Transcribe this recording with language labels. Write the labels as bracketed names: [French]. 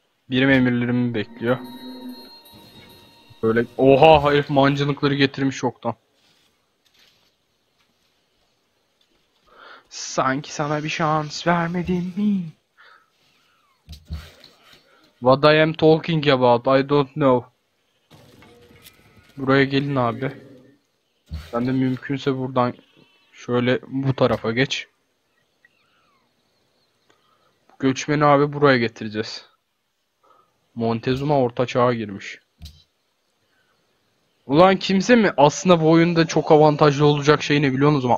[Turkish] Birim emirlerimi bekliyor. Böyle, oha, herif mancınıkları getirmiş yoktan. Sanki sana bir şans vermedim mi? [English] What I am talking about, I don't know. [Turkish] Buraya gelin abi. Sen de mümkünse buradan şöyle bu tarafa geç. Göçmeni abi buraya getireceğiz. Montezuma orta çağa girmiş. Ulan kimse mi? Aslında bu oyunda çok avantajlı olacak şey ne biliyor musunuz?